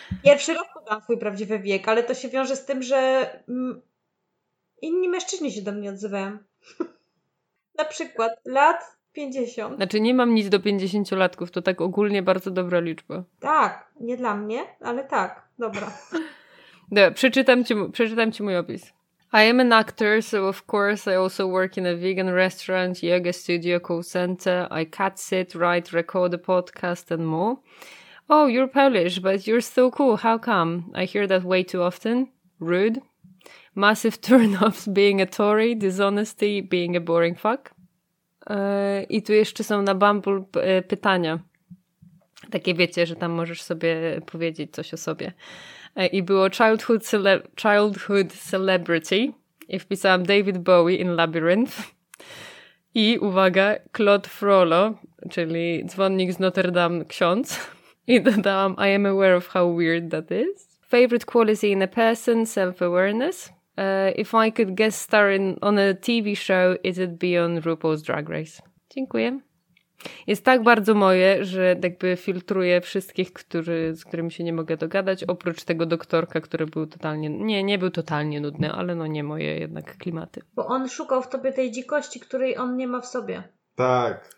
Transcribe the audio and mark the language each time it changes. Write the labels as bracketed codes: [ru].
[pl] Pierwszy raz podałam swój prawdziwy wiek, ale to się wiąże z tym, że inni mężczyźni się do mnie odzywają. Na przykład lat 50. Znaczy nie mam nic do 50-latków, to tak ogólnie bardzo dobra liczba. Tak, nie dla mnie, ale tak, dobra. Dobra, przeczytam ci mój opis. [en] I am an actor, so of course I also work in a vegan restaurant, yoga studio, call center. I cat sit, write, record a podcast and more. Oh, you're Polish, but you're so cool. How come? I hear that way too often. Rude. Massive turn-offs being a Tory, dishonesty being a boring fuck. [pl] I tu jeszcze są na Bumble pytania. Takie wiecie, że tam możesz sobie powiedzieć coś o sobie. I było [en] childhood celebrity. [pl] I wpisałam David Bowie in Labyrinth. I uwaga, Claude Frollo, czyli dzwonnik z Notre Dame, ksiądz. I dodałam, [en] I am aware of how weird that is. Favorite quality in a person, self-awareness. If I could guest star on a TV show, it would be on RuPaul's Drag Race. [pl] Dziękuję. Jest tak bardzo moje, że jakby filtruję wszystkich, z którymi się nie mogę dogadać, oprócz tego doktorka, który był totalnie, nie był totalnie nudny, ale no nie moje jednak klimaty. Bo on szukał w tobie tej dzikości, której on nie ma w sobie. Tak.